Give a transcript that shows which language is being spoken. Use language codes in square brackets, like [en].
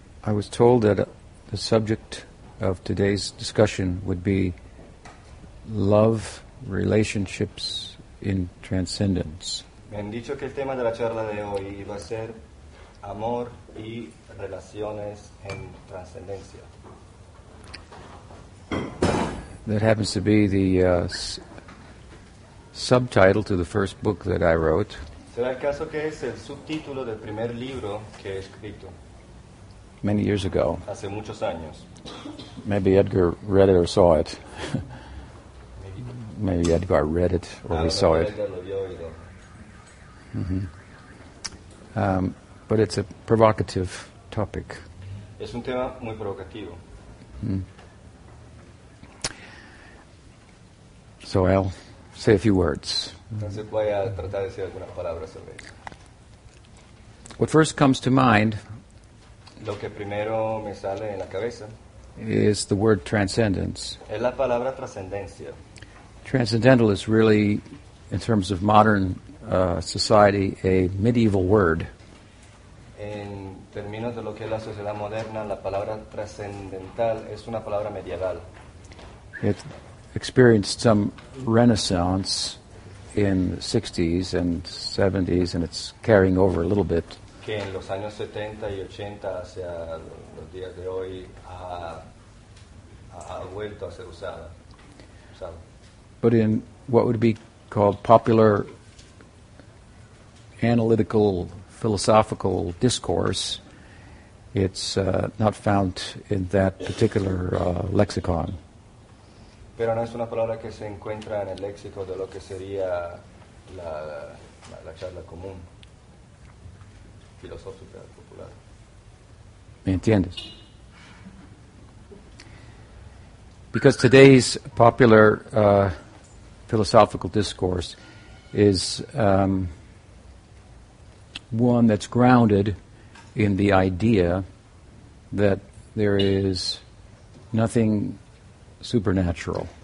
[en] I was told that the subject of today's discussion would be love relationships in transcendence. [es] Me han dicho que el tema de la charla de hoy iba a ser amor y relaciones en transcendencia. [en] That happens to be the subtitle to the first book that I wrote. [es] ¿Será el caso que es el subtítulo del primer libro que he escrito? [en] Many years ago. [es] Hace muchos años. [en] Maybe Edgar read it or saw it. Maybe Edgar read it or he saw it. Mm-hmm. But it's a provocative topic. [es] Es un tema muy provocativo. [en] So I'll say a few words. [es] Entonces voy a tratar de decir algunas palabras sobre eso. [en] What first comes to mind, [es] lo que primero me sale en la cabeza, [en] is the word transcendence. [es] Es la palabra trascendencia. [en] Transcendental is really, in terms of modern society, a medieval word. [es] En términos de lo que es la sociedad moderna, la palabra trascendental es una palabra medieval. [en] It experienced some renaissance in the 60s and 70s, and it's carrying over a little bit. [es] Que en los años 70 y 80 hacia los días de hoy ha vuelto a ser usada. [en] But in what would be called popular analytical philosophical discourse, it's not found in that particular lexicon. [es] Pero no es una palabra que se encuentra en el léxico de lo que sería la charla común filosófica popular. ¿Me entiendes? [en] Because today's popular philosophical discourse is one that's grounded in the idea that there is nothing supernatural.